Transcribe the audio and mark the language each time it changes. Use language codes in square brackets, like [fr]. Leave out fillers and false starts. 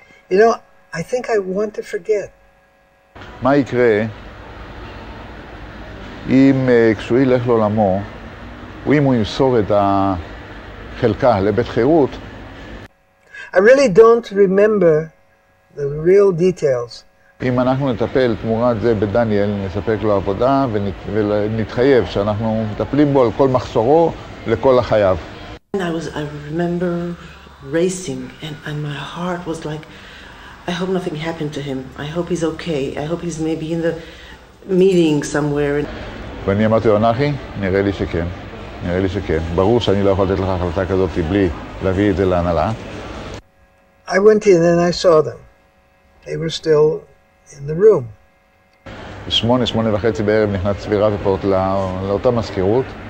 [en] You know, I think I want to forget. [he] מה יקרה? אם כשהוא ילך לעולמו, או אם הוא ימסור את החלקה לבית חירות. [en] I really don't remember the real details. [he] אם אנחנו נטפל תמורת זה בדניאל, נספק לו עבודה ונתחייב שאנחנו מטפלים בו על כל מחסורו לכל החייו. [en] I remember racing and my heart was like, I hope nothing happened to him. I hope he's okay. I hope he's maybe in the meeting somewhere. [he] ואני אמרתי לו, נחי, נראה לי שכן, נראה לי שכן. ברור שאני לא יכול לתת לך החלטה כזאת בלי להביא את זה להנהלה. [en] I went in and I saw them. They were still in the room. [he] שמונה וחצי בערב נכנס צבי רפפורט לאותה מזכירות.